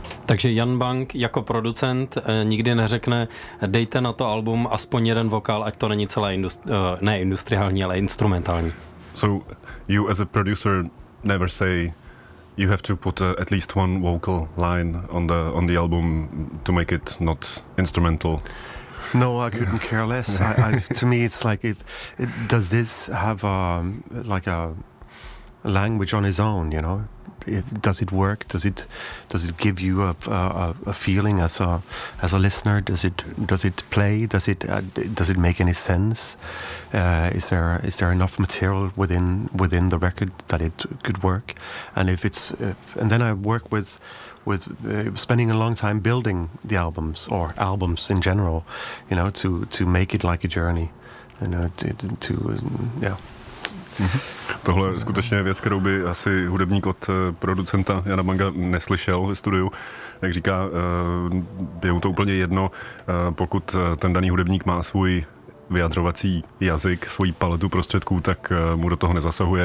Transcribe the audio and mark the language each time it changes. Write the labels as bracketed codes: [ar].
[cs] Takže Jan Bank jako producent nikdy neřekne, dejte na to album aspoň jeden vokál, ať to není celé industriální, ale instrumentální. [en] So you as a producer never say you have to put at least one vocal line on the album to make it not instrumental. No, I couldn't care less. I to me it's like does this have a language on its own, you know? Does it work? Does it give you a feeling as a listener? Does it play? Does it make any sense? Is there enough material within the record that it could work? And if it's and then I work with spending a long time building the albums or albums in general, you know, to make it like a journey, you know, to. Mm-hmm. [cs] Tohle je skutečně věc, kterou by asi hudebník od producenta Jana Banga neslyšel ve studiu. Jak říká, je mu to úplně jedno, pokud ten daný hudebník má svůj vyjadřovací jazyk, svoji paletu prostředků, tak mu do toho nezasahuje.